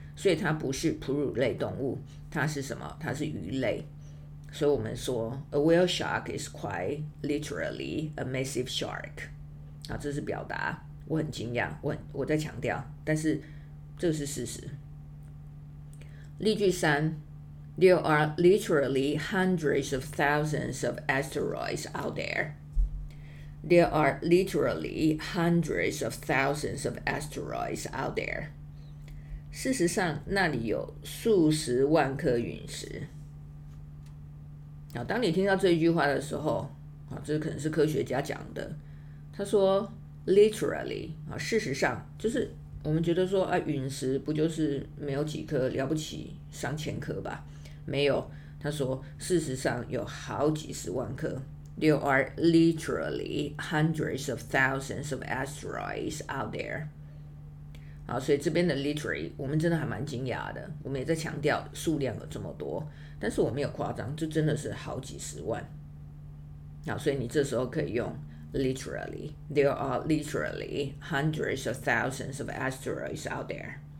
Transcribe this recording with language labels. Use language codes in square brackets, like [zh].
[zh] 所以它不是哺乳类动物，它是什么？它是鱼类。所以我们说 [en] A whale shark is quite literally a massive shark。 [zh] 好，这是表达我很惊讶， 我在强调，但是这是事实。例句三， [en] There are literally hundreds of thousands of asteroids out there. There are literally hundreds of thousands of asteroids out there. [zh] 事实上那里有数十万颗陨石。好，当你听到这一句话的时候，好，这可能是科学家讲的，他说 literally， 好，事实上就是我们觉得说，啊，陨石不就是没有几颗，了不起上千颗吧，没有，他说事实上有好几十万颗。 [en] There are literally hundreds of thousands of asteroids out there。 [zh] 好，所以这边的 literally 我们真的还蛮惊讶的，我们也在强调数量有这么多，但是我没有夸张，这真的是好几十万。好，所以你这时候可以用 [en] literally， There are literally hundreds of thousands of asteroids out there.